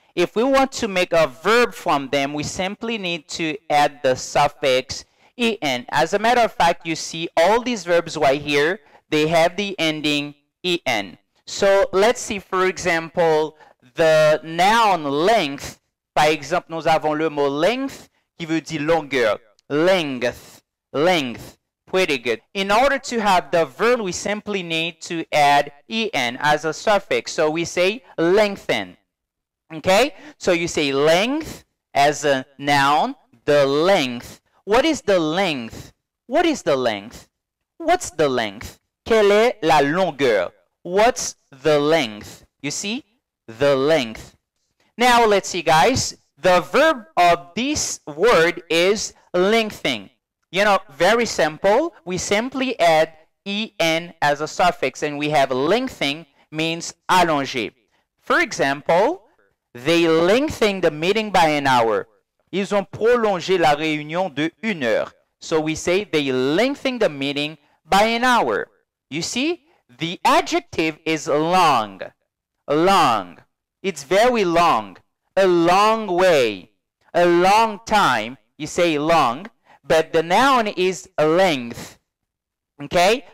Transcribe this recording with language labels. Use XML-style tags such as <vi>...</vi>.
<en>If we want to make a verb from them, we simply need to add the suffix en. As a matter of fact, you see all these verbs right here, they have the ending en. So let's see, for example, the noun length.</en> <fr>Par exemple, nous avons le mot length qui veut dire longueur.</fr> <en>Length. Length. Pretty good. In order to have the verb, we simply need to add en as a suffix. So we say lengthen. Okay? So you say length as a noun. The length. What is the length? What is the length? What's the length?</en> <fr>Quelle est la longueur?</fr> <en>What's the length? You see? The length. Now, let's see, guys. The verb of this word is lengthening. You know, very simple. We simply add en as a suffix, and we have lengthening means allonger. For example, they lengthen the meeting by an hour.</en> <fr>Ils ont prolongé la réunion de une heure.</fr> <en>So we say they lengthen the meeting by an hour. You see, the adjective is long. Long. It's very long, a long way, a long time. You say long, but the noun is length, okay?</en>